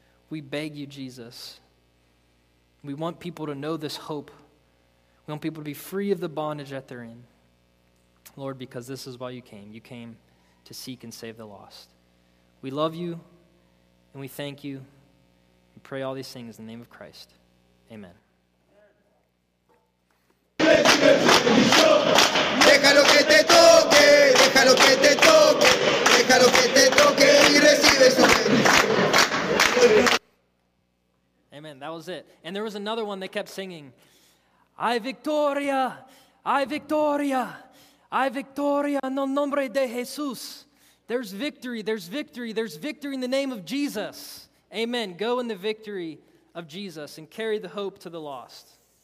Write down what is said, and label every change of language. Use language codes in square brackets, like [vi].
[en] We beg you, Jesus. We want people to know this hope. We want people to be free of the bondage that they're in. Lord, because this is why you came. You came to seek and save the lost. We love you, and we thank you. We pray all these things in the name of Christ. Amen. [es] Deja lo que te toque, deja lo que te toque, deja lo que te toque y recibe su bendición. [en] Amen, that was it. And there was another one they kept singing. [es] Ay victoria, ay victoria, ay victoria en el nombre de Jesús. [en] There's victory, there's victory, there's victory in the name of Jesus. Amen. Go in the victory of Jesus and carry the hope to the lost.